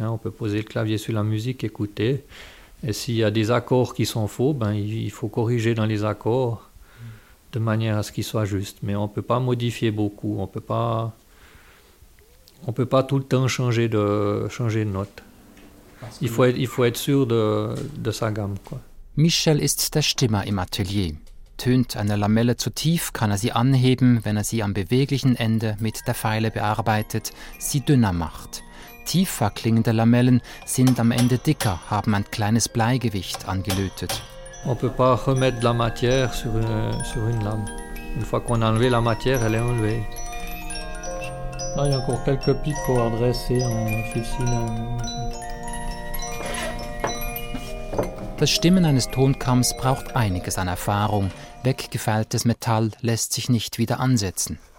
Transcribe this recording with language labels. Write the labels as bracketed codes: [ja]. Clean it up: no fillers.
[fr] Hein. On peut poser le clavier sur la musique, écouter. Et s'il y a des accords qui sont faux, ben, il faut corriger dans les accords de manière à ce qu'ils soient justes. Mais on ne peut pas modifier beaucoup. On ne peut pas tout le temps changer de note. Il faut être sûr de sa gamme. Quoi. [de] Michel ist der Stimmer im Atelier. Tönt eine Lamelle zu tief, kann er sie anheben, wenn er sie am beweglichen Ende mit der Feile bearbeitet, sie dünner macht. Tiefer klingende Lamellen sind am Ende dicker, haben ein kleines Bleigewicht angelötet. [fr] On peut pas remettre de la matière sur une lame. Une fois qu'on a enlevé la matière, elle est enlevée. Là, il y a encore quelques pics pour adresser en fusil. [de] Das Stimmen eines Tonkamms braucht einiges an Erfahrung. Weggefeiltes Metall lässt sich nicht wieder ansetzen.